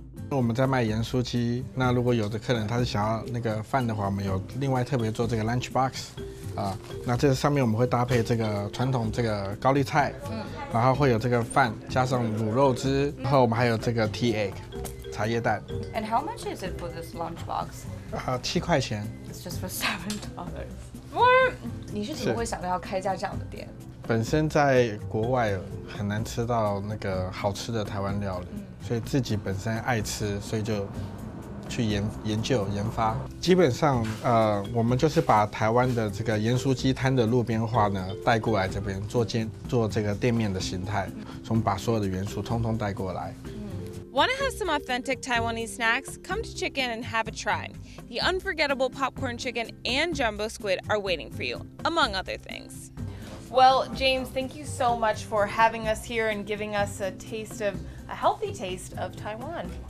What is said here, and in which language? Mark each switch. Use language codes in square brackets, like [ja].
[zh] 我们在卖盐酥鸡，那如果有的客人他是想要那个饭的话，我们有另外特别做这个 lunch box， 啊，那这上面我们会搭配这个传统这个高丽菜，然后会有这个饭加上卤肉汁，然后我们还有这个 tea egg， 茶叶蛋。 [en] And how much is it for this lunch box？ [zh] 7块钱。 [en] It's just for $7. What？ [zh] 你是怎么会想到要开家这样的店？本身在国外很难吃到那个好吃的台湾料理。所以自己本身爱吃，所以就去研究研发。基本上，我们就是把台湾的这个盐酥鸡摊的路边化呢带过来这边做这个店面的形态，从把所有的元素通通带过来。 [en] Want to have some authentic Taiwanese snacks? Come to Chicken and have a try. The unforgettable popcorn chicken and jumbo squid are waiting for you, among other things. Well, James, thank you so much for having us here and giving us a healthy taste of Taiwan.